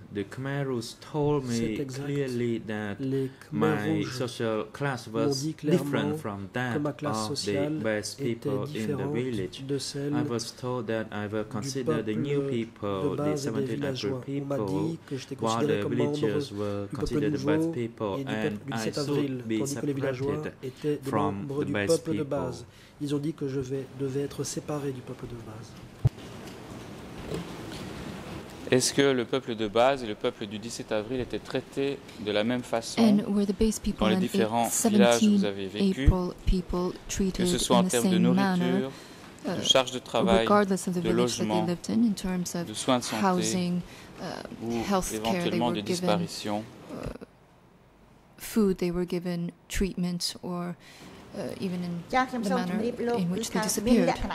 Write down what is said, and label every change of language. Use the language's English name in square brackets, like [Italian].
[English] The Khmer Rouge told me clearly that my social class was different from that of the best people in the village. I was told that I was considered the new people, the 1700 people, while the villagers were considered the best people, and I should be separated from the best people. [French] Ils ont dit que je devais être séparé du peuple de base. Est-ce que le peuple de base et le peuple du 17 avril étaient traités de la même façon dans les différents villages où vous avez vécu, que ce soit en termes de nourriture, de charge de travail, de logement, de soins de santé ou éventuellement de disparition, [English] food they were given, treatment, or even in the manner in which they disappeared?